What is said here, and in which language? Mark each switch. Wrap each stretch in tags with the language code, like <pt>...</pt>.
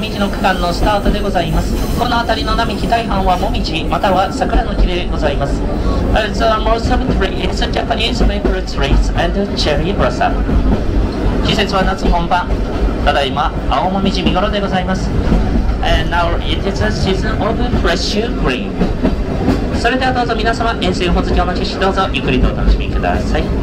<ja>区間のスタートでございます。この辺りの並木大半はもみじまたは桜の木でございます。</ja> <en>The most of the tree is Japanese maple trees and cherry blossom.</en> <ja>季節は夏本番、ただいま青もみじ見頃でございます。</ja> <en>And now it is a season of fresh green.</en> <ja>それではどうぞ皆様、沿線保津峡の景色どうぞゆっくりとお楽しみください。</ja>